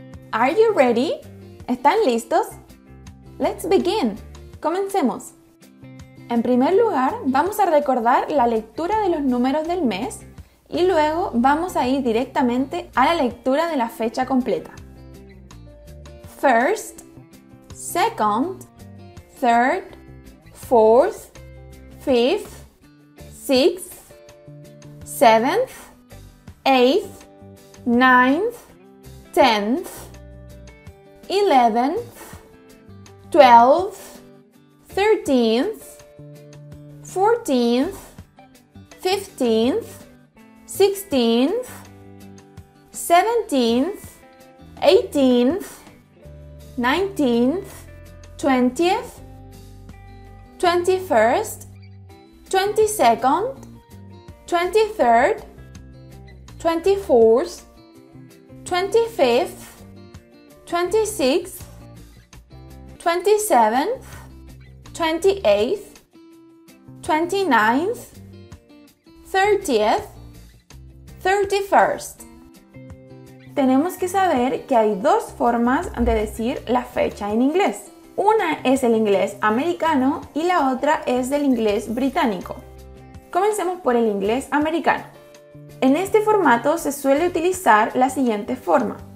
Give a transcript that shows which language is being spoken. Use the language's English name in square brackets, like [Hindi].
[English] Are you ready? [Spanish] ¿Están listos? [English] Let's begin. [Spanish] Comencemos. En primer lugar, vamos a recordar la lectura de los números del mes y luego vamos a ir directamente a la lectura de la fecha completa. [English] First, second, third, fourth, fifth, sixth, seventh, eighth, ninth, tenth, eleventh, twelfth, thirteenth, fourteenth, fifteenth, sixteenth, seventeenth, eighteenth, 19th, 20th, 21st, 22nd, 23rd, 24th, 25th, 26th, 27th, 28th, 29th, 30th, 31st. [Spanish] Tenemos que saber que hay dos formas de decir la fecha en inglés. Una es el inglés americano y la otra es del inglés británico. Comencemos por el inglés americano. En este formato se suele utilizar la siguiente forma.